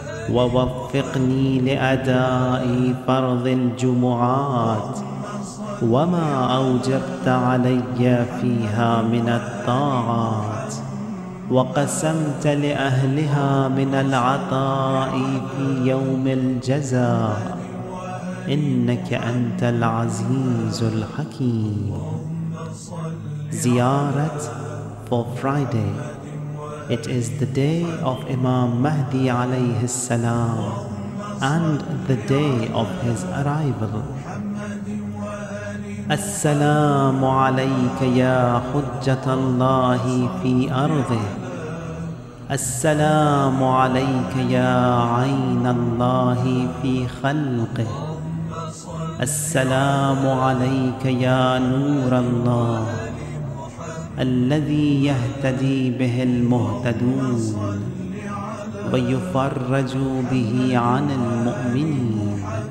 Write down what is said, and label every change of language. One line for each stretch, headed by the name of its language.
Arabic: ووفقني لأداء فرض الجمعات وما أوجبت علي فيها من الطاعات وقسمت لأهلها من العطاء في يوم الجزاء إنك أنت العزيز الحكيم.
English: زيارة for Friday. It is the day of Imam Mahdi alayhi salam and the day of his arrival.
Arabic: السلام عليك يا حجة الله في أرضه السلام عليك يا عين الله في خلقه السلام عليك يا نور الله الذي يهتدي به المهتدون ويفرج به عن المؤمنين